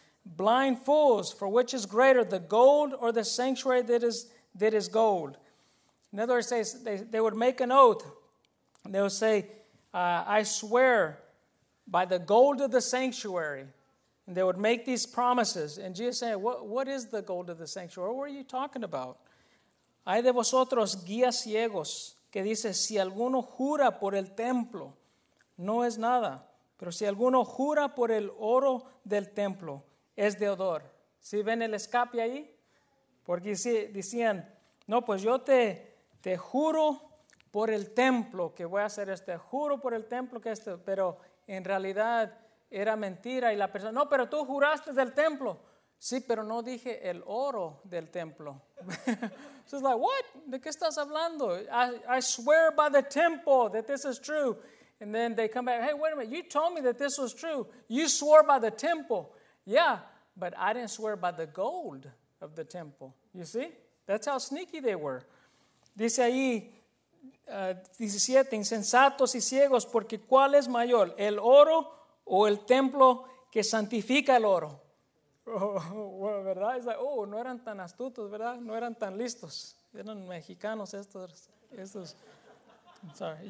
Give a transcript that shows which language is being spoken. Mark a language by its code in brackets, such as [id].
[en] Blind fools, for which is greater, the gold or the sanctuary that is gold? In other words, they would make an oath. They would say, I swear by the gold of the sanctuary. And they would make these promises. And Jesus said, what is the gold of the sanctuary? What are you talking about? [es] Hay de vosotros guías ciegos que dice, si alguno jura por el templo, no es nada. Pero si alguno jura por el oro del templo, es deudor. ¿Sí ven el escape ahí? Porque decían, no, pues yo te juro por el templo que voy a hacer esto. Te juro por el templo que esto. Pero en realidad era mentira. Y la persona, no, pero tú juraste del templo. Sí, pero no dije el oro del templo. [en] So it's like, what? [es] ¿De qué estás hablando? [en] I swear by the temple that this is true. And then they come back. Hey, wait a minute. You told me that this was true. You swore by the temple. Yeah, but I didn't swear by the gold of the temple. You see? That's how sneaky they were. [es] Dice ahí, 17, insensatos y ciegos, porque ¿cuál es mayor, el oro o el templo que santifica el oro? Bueno, ¿verdad? Es [en] like, oh, [es] no eran tan astutos, ¿verdad? No eran tan listos. Eran mexicanos estos. Sorry.